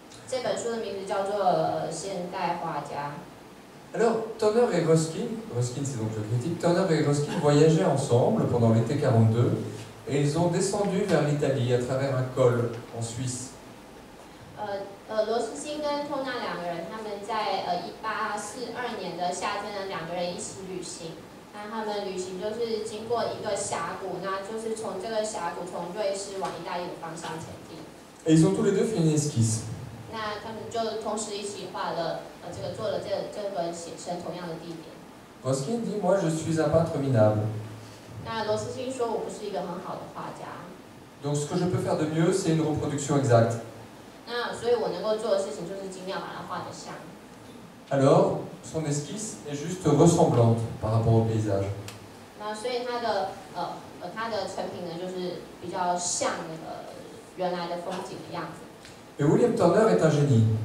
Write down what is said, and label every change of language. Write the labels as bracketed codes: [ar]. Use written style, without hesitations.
[zh] 这本书的名字叫做现代画家。 [fr] Alors, Turner et Ruskin, c'est donc le critique, Turner et Ruskin voyageaient ensemble pendant l'été 42 et ils ont descendu vers l'Italie à travers un col en Suisse. [zh] Ruskin et Turner, 两个人，他们在1842年的夏天呢，两个人一起旅行。那他们旅行就是经过一个峡谷，那就是从这个峡谷从瑞士往意大利的方向前进。 [fr] Et ils ont tous les deux fait une esquisse. [zh] 那他们就同时一起画了。这个做了这个写生同样的地点。 [fr] Ruskin dit moi je suis un peintre minable。 [zh] 那罗斯金说我不是一个很好的画家。 [fr] Donc ce que je peux faire de mieux c'est une reproduction exacte。 [zh] 那所以我能够做的事情就是尽量把它画得像。 [fr] Alors son esquisse est juste ressemblante par rapport au paysage。 [zh] 那所以他的成品呢就是比较像那个原来的风景的样子。 [fr] Et William Turner est un génie。